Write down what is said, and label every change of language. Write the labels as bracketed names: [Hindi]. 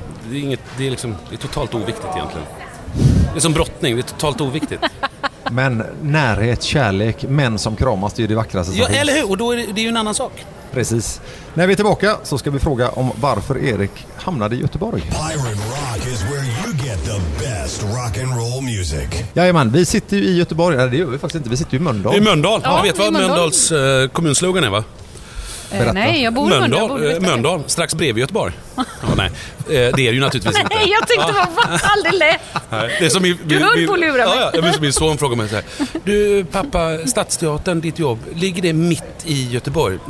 [Swedish] Det är inget, det är liksom, det är totalt oviktigt egentligen. Det är som brottning, det är totalt oviktigt. Men närhet, kärlek, män som kramas, det är ju det vackraste. Ja, eller hur? Och då är det ju en annan sak. Precis. När vi är tillbaka så ska vi fråga om varför Erik hamnade i Göteborg. [English] Byron Rock is where you get the best rock and roll music. [Swedish] Jajamän, vi sitter ju i Göteborg. Nej, det gör vi faktiskt inte. Vi sitter ju i Mölndal. I Mölndal. Ja, vet vad Mölndals kommunslogan är, va? Berätta. Nej, jag bor i Mölndal. Mölndal, strax bredvid Göteborg. Ja, nej. Det är ju naturligtvis inte. Nej, jag tyckte var aldrig lätt. Det är som du höll på att lura mig. Ja, min son frågade mig så här. Du, pappa, Stadsteatern, ditt jobb, ligger det mitt i Göteborg?